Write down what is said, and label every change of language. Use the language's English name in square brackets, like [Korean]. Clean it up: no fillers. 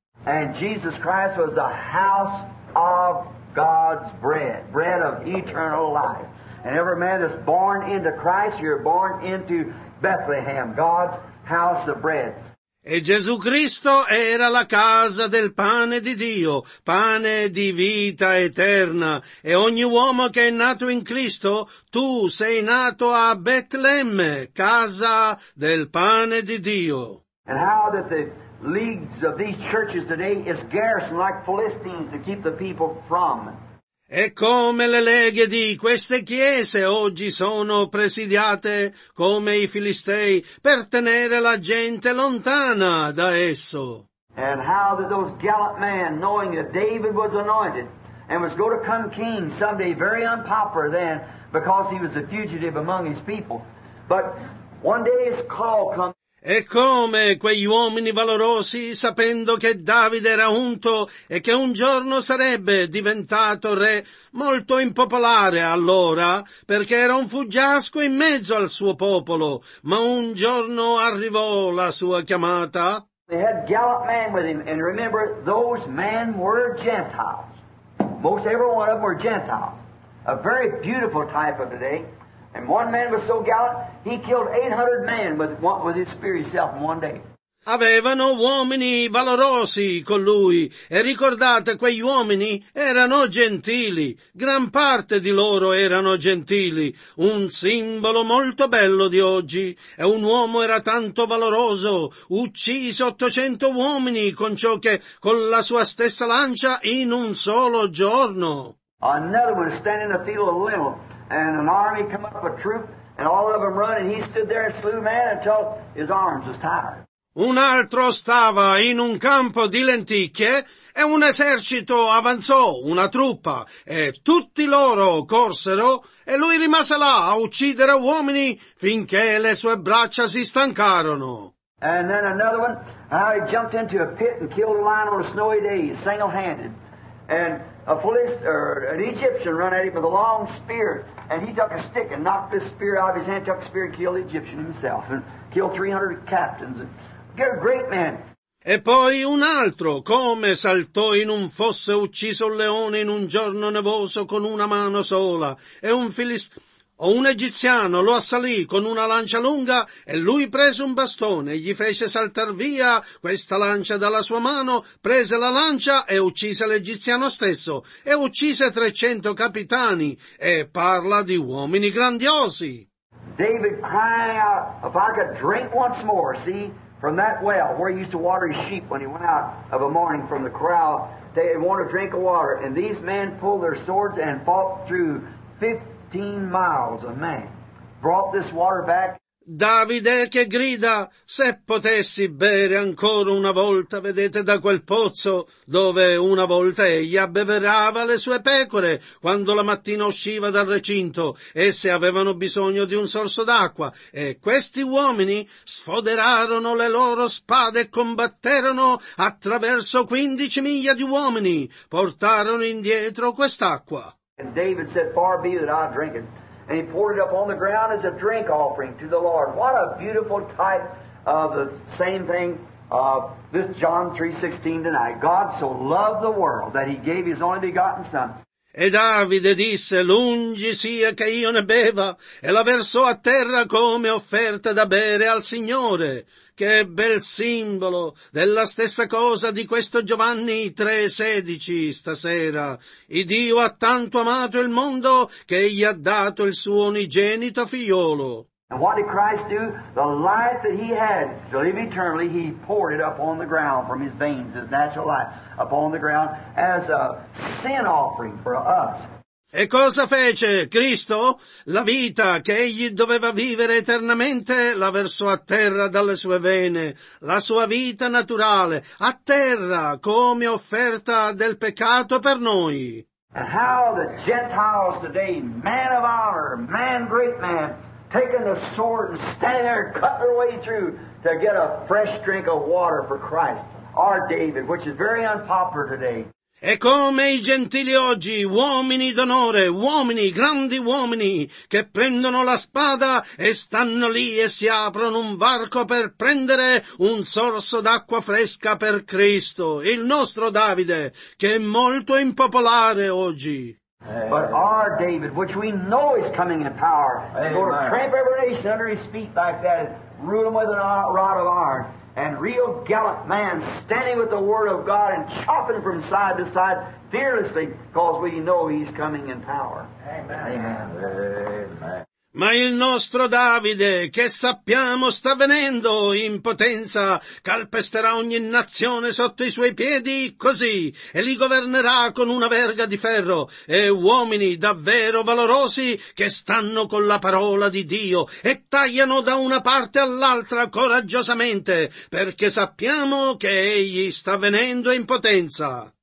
[English] And Jesus Christ was the house of God's bread, bread of eternal life. And every man that's born into Christ, you're born into Bethlehem, God's house of bread. [Italian] E Gesù Cristo era la casa del pane di Dio, pane di vita eterna. E ogni uomo che è nato in Cristo, tu sei nato a Betlemme, casa del pane di Dio. [English] And how that the leagues of these churches today is garrisoned like Philistines to keep the people from. [Italian] E come le leghe di queste chiese oggi sono presidiate come i filistei per tenere la gente lontana da esso. [English] And how did those gallant men, knowing that David was anointed and was going to come king someday, very unpopular then because he was a fugitive among his people, but one day his call comes. [Italian] E come quegli uomini valorosi, sapendo che Davide era unto e che un giorno sarebbe diventato re, molto impopolare allora, perché era un fuggiasco in mezzo al suo popolo, ma un giorno arrivò la sua chiamata. [English] They had gallant men with him, and remember, those men were Gentiles. Most every one of them were Gentiles. A very beautiful type of today. And one man was so gallant, he killed 800 men with his spear himself in one day. [Italian] Avevano uomini valorosi con lui, e ricordate, quegli uomini erano gentili, gran parte di loro erano gentili, un simbolo molto bello di oggi, e un uomo era tanto valoroso, uccise 800 uomini con ciò che con la sua stessa lancia in un solo giorno. [English] Another one stand in the field of Lentil, and an army come up, a troop, and all of them run, and he stood there and slew man until his arms was tired. [Italian] Un altro stava in un campo di lenticchie e un esercito avanzò, una truppa, e tutti loro corsero e lui rimase là a uccidere uomini finché le sue braccia si stancarono. [English] And then another one, he jumped into a pit and killed a lion on a snowy day, single-handed. And an Egyptian ran at him with a long spear, and he took a stick and knocked this spear out of his hand, took the spear and killed the Egyptian himself, and killed 300 captains. Great man. [Italian] E poi un altro, come saltò in un fosso e ucciso un leone in un giorno nevoso con una mano sola, e un egiziano lo assalì con una lancia lunga, e lui prese un bastone e gli fece saltar via questa lancia dalla sua mano, prese la lancia e uccise l'egiziano stesso, e uccise 300 capitani, e parla di uomini grandiosi. [English] David crying out, if I could drink once more, see? From that well where he used to water his sheep when he went out of a morning from the corral, they wanted a drink of water, and these men pulled their swords and fought through 15 miles of man, brought this water back. [Italian] Davide che grida, se potessi bere ancora una volta, vedete, da quel pozzo dove una volta egli abbeverava le sue pecore quando la mattina usciva dal recinto, esse avevano bisogno di un sorso d'acqua, e questi uomini sfoderarono le loro spade e combatterono attraverso 15 miglia di uomini, portarono indietro quest'acqua. [English] And David said, far be that I drink it. And he poured it up on the ground as a drink offering to the Lord. What a beautiful type of the same thing, this John 3:16 tonight. God so loved the world that he gave his only begotten son. [Italian] E Davide disse, lungi sia che io ne beva, e la versò a terra come offerta da bere al Signore. Che bel simbolo della stessa cosa di questo Giovanni 3:16 stasera. E Dio ha tanto amato il mondo che gli ha dato il suo unigenito figliolo. [English] And what did Christ do? The life that he had to live eternally, he poured it up on the ground from his veins, his natural life, upon the ground as a sin offering for us. [Italian] E cosa fece Cristo? La vita che egli doveva vivere eternamente la versò a terra dalle sue vene, la sua vita naturale, a terra come offerta del peccato per noi. [English] And how the Gentiles today, man of honor, man, great man, taking the sword and standing there and cut their way through to get a fresh drink of water for Christ, our David, which is very unpopular today. [Italian] E come i gentili oggi, uomini d'onore, uomini, grandi uomini, che prendono la spada e stanno lì e si aprono un varco per prendere un sorso d'acqua fresca per Cristo, il nostro Davide, che è molto impopolare oggi. [English] But our David, which we know is coming in power, is going to tramp every nation under his feet like that, rule them with a rod of iron. And real gallant man standing with the word of God and chopping from side to side fearlessly because we know he's coming in power. Amen. Amen. Amen. [Italian] Ma il nostro Davide, che sappiamo sta venendo in potenza, calpesterà ogni nazione sotto i suoi piedi così, e li governerà con una verga di ferro, e uomini davvero valorosi che stanno con la parola di Dio e tagliano da una parte all'altra coraggiosamente, perché sappiamo che egli sta venendo in potenza.